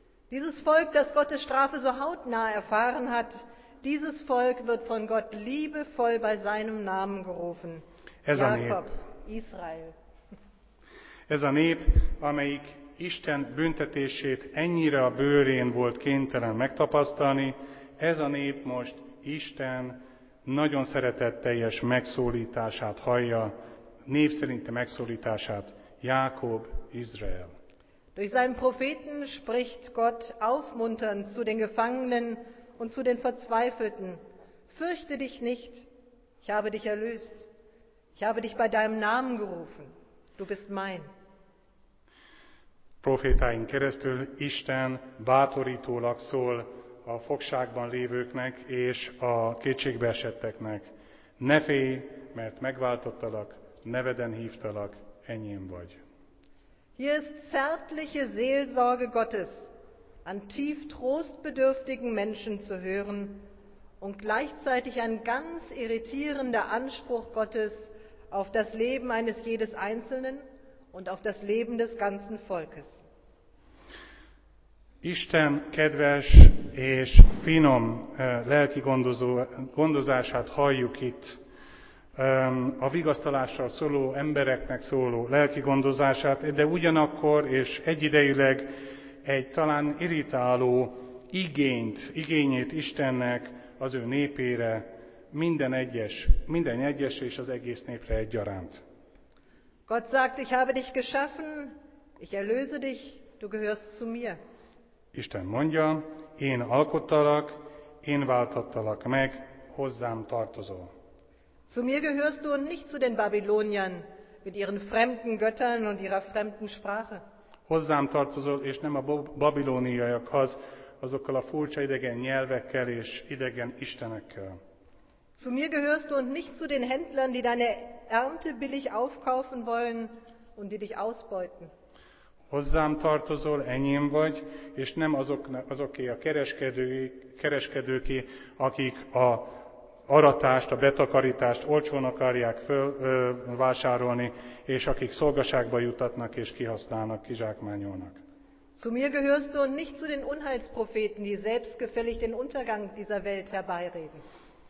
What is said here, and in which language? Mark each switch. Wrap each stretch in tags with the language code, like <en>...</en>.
<de>Dieses Volk, das Gottes Strafe so hautnah erfahren hat, dieses Volk wird von Gott liebevoll bei seinem Namen gerufen.</de> <hu>Ez a nép.</hu> <de>Jakob, Israel.</de> <hu>Ez a nép, amelyik Isten büntetését ennyire a bőrén volt kénytelen megtapasztalni, ez a nép most Isten nagyon szeretetteljes megszólítását hallja, népszerinti megszólítását, Jákob, Izrael.</hu> <de>Durch seinen Propheten spricht Gott aufmunternd zu den Gefangenen und zu den Verzweifelten. Fürchte dich nicht, ich habe dich erlöst. Ich habe dich bei deinem Namen gerufen. Du bist mein.</de> <hu>Profétáink keresztül Isten bátorítólag szól a fogságban lévőknek és a kétségbe esetteknek. Ne félj, mert megváltottalak, neveden hívtalak, enyém vagy.</hu> <de>Hier ist zärtliche Seelsorge Gottes, an tief trostbedürftigen Menschen zu hören und gleichzeitig ein ganz irritierender Anspruch Gottes auf das Leben eines jedes Einzelnen und auf das Leben des ganzen Volkes.</de> <hu>Isten kedves és finom lelki gondozását halljuk itt a vigasztalással szóló embereknek szóló lelki gondozását, de ugyanakkor és egyidejűleg egy talán irritáló igényét Istennek az ő népére, minden egyes és az egész népre egyaránt.</hu> <de>Gott sagt, ich habe dich geschaffen, ich erlöse dich, du gehörst zu mir.</de> <hu>Isten mondja, én alkottalak, én váltattalak meg, hozzám tartozol.</hu> <de>Zu mir gehörst du und nicht zu den Babyloniern mit ihren fremden Göttern und ihrer fremden Sprache.</de> <hu>Hozzám tartozol, és nem a babilóniaiakhoz, azokkal a furcsa idegen nyelvekkel és idegen istenekkel.</hu> <de>Zu mir gehörst du und nicht zu den Händlern, die deine Ernte billig aufkaufen wollen und die dich ausbeuten.</de> <hu>Hozzám tartozol, enyém vagy, és nem azoké a kereskedőké, akik a aratást, a betakarítást olcsón akarják vásárolni, és akik szolgaságba jutatnak és kihasználnak, kizsákmányolnak.</hu> <de>Zu mir gehörst du und nicht zu den Unheilspropheten, die selbstgefällig den Untergang dieser Welt herbeireden.</de>